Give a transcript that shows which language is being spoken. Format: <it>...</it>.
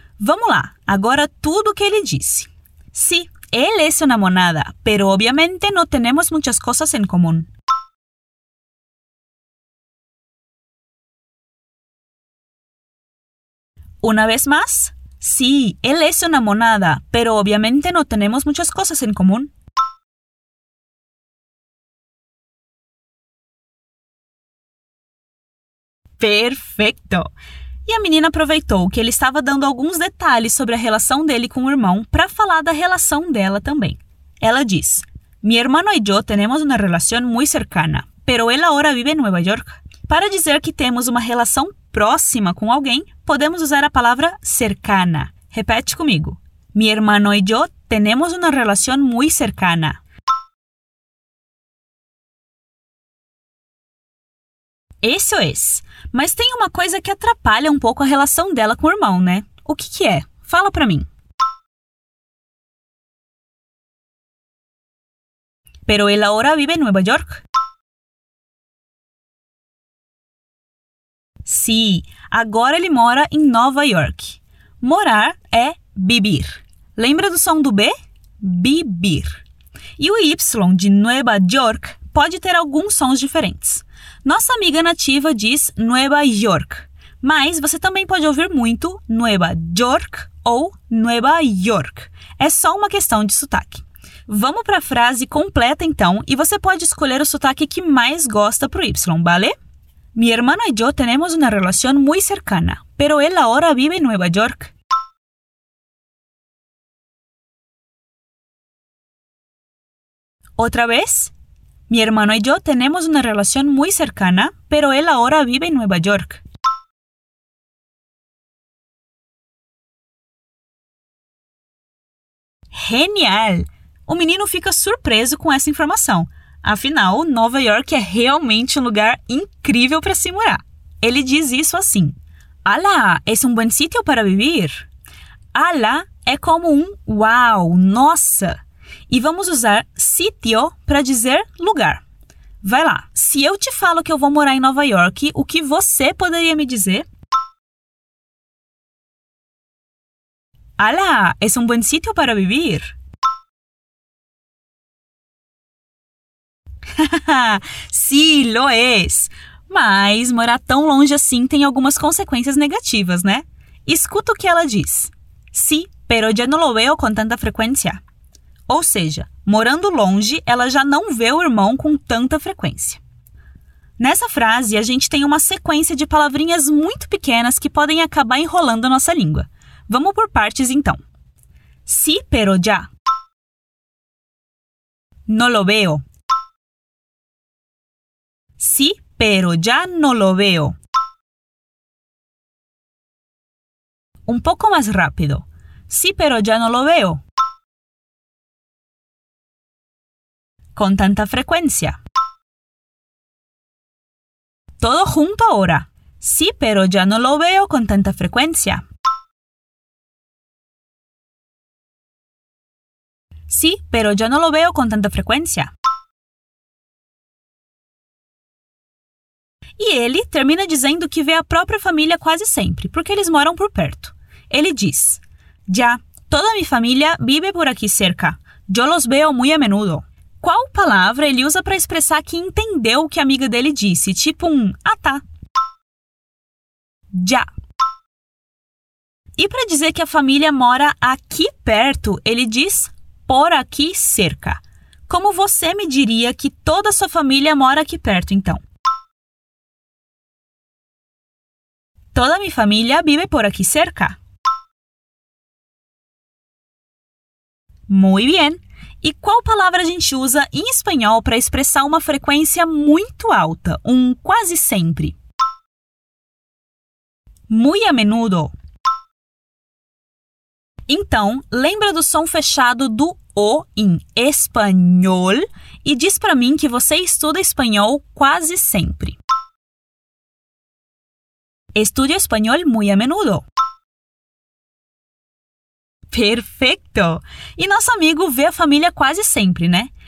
<pt>Vamos lá, agora tudo o que ele disse.</pt> <es>Sí, él es una monada, pero obviamente no tenemos muchas cosas en común. Una vez más. Sí, él es una monada, pero obviamente no tenemos muchas cosas en común.</es> <pt>Perfeito! E a menina aproveitou que ele estava dando alguns detalhes sobre a relação dele com o irmão para falar da relação dela também. Ela diz,</pt> <es>Mi hermano y yo tenemos una relación muy cercana, pero él ahora vive en Nueva York.</es> <pt>Para dizer que temos uma relação próxima com alguém, podemos usar a palavra cercana. Repete comigo.</pt> <es>Mi hermano y yo tenemos una relación muy cercana.</es> <pt>Isso é. Mas tem uma coisa que atrapalha um pouco a relação dela com o irmão, né? O que que é? Fala pra mim.</pt> <es>Pero él ahora vive en Nueva York? Sí,</es> <pt>agora ele mora em Nova York. Morar é vivir. Lembra do som do B? Vivir. E o Y de Nueva York pode ter alguns sons diferentes. Nossa amiga nativa diz Nueva York, mas você também pode ouvir muito Nueva York ou Nueva York. É só uma questão de sotaque. Vamos para a frase completa, então, e você pode escolher o sotaque que mais gosta para o Y, vale?</pt> <es>Mi hermano y yo tenemos una relación muy cercana, pero él ahora vive en Nueva York. Otra vez. Mi hermano y yo tenemos una relación muy cercana, pero él ahora vive en Nueva York. Genial!</es> <pt>O menino fica surpreso com essa informação. Afinal, Nova York é realmente um lugar incrível para se morar. Ele diz isso assim.</pt> <es>Alá, es un buen sitio para vivir?</es> <pt>Alá é como um uau, nossa! E vamos usar sitio para dizer lugar. Vai lá, se eu te falo que eu vou morar em Nova York, o que você poderia me dizer?</pt> <es>Alá, es un buen sitio para vivir?</es> <pt>Sim,</pt> <es>sí, lo es.</es> <pt>Mas morar tão longe assim tem algumas consequências negativas, né? Escuta o que ela diz.</pt> <es>Sí, pero ya no lo veo con tanta frecuencia.</es> <pt>Ou seja, morando longe, ela já não vê o irmão com tanta frequência. Nessa frase, a gente tem uma sequência de palavrinhas muito pequenas que podem acabar enrolando a nossa língua. Vamos por partes, então.</pt> <es>Sí, pero ya. No lo veo. Sí, pero ya no lo veo. Un poco más rápido. Sí, pero ya no lo veo. Con tanta frecuencia. Todo junto ahora. Sí, pero ya no lo veo con tanta frecuencia. Sí, pero ya no lo veo con tanta frecuencia.</es> <pt>E ele termina dizendo que vê a própria família quase sempre, porque eles moram por perto. Ele diz,</pt> <es>Ya, toda mi familia vive por aquí cerca. Yo los veo muy a menudo.</es> <pt>Qual palavra ele usa para expressar que entendeu o que a amiga dele disse? Tipo um, ah tá.</pt> <es>Ya.</es> <pt>E para dizer que a família mora aqui perto, ele diz,</pt> <es>por aqui cerca.</es> <pt>Como você me diria que toda sua família mora aqui perto, então?</pt> <es>Toda mi familia vive por aquí cerca. Muy bien.</es> <pt>E qual palavra a gente usa em espanhol para expressar uma frequência muito alta, um quase sempre?</pt> <es>Muy a menudo.</es> <pt>Então, lembra do som fechado do O em espanhol e diz para mim que você estuda espanhol quase sempre.</pt> <es>Estudio español muy a menudo. Perfecto!</es> <pt>E nosso amigo vê a família quase sempre, né?</pt>